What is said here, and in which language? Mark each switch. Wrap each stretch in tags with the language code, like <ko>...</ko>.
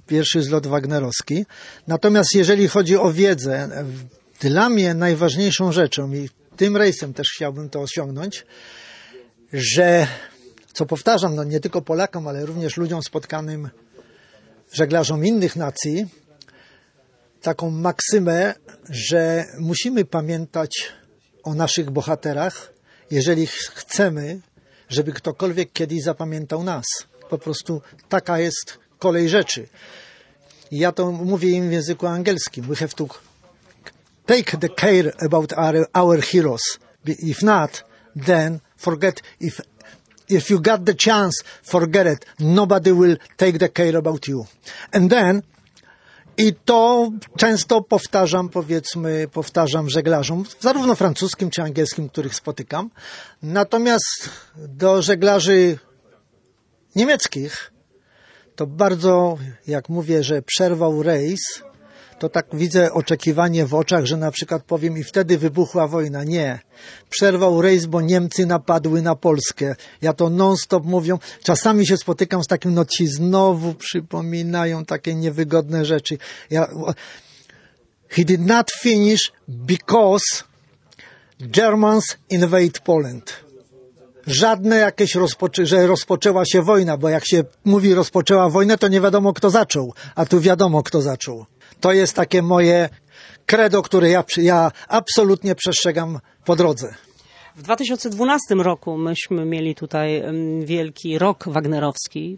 <pl>Pierwszy zlot wagnerowski. Natomiast jeżeli chodzi o wiedzę, dla mnie najważniejszą rzeczą i tym rejsem też chciałbym to osiągnąć, że, co powtarzam, no nie tylko Polakom, ale również ludziom spotkanym, żeglarzom innych nacji, taką maksymę, że musimy pamiętać o naszych bohaterach, jeżeli chcemy, żeby ktokolwiek kiedyś zapamiętał nas. Po prostu taka jest kolej rzeczy. I ja to mówię im w języku angielskim.</pl> <en>We have to take the care about our heroes. If not, then forget. If you got the chance, forget it. Nobody will take the care about you. And then,</en> <pl>I to często powtarzam, powiedzmy, powtarzam żeglarzom, zarówno francuskim czy angielskim, których spotykam. Natomiast do żeglarzy niemieckich, to bardzo, jak mówię, że przerwał rejs, to tak widzę oczekiwanie w oczach, że na przykład powiem i wtedy wybuchła wojna. Nie. Przerwał rejs, bo Niemcy napadły na Polskę. Ja to non-stop mówią. Czasami się spotykam z takim, no ci znowu przypominają takie niewygodne rzeczy.</pl> <en>He did not finish because Germans invade Poland.</en> <pl>Żadne jakieś, że rozpoczęła się wojna, bo jak się mówi rozpoczęła wojnę, to nie wiadomo kto zaczął, a tu wiadomo kto zaczął. To jest takie moje credo, które ja absolutnie przestrzegam po drodze. W 2012 roku myśmy mieli tutaj wielki rok wagnerowski,</pl>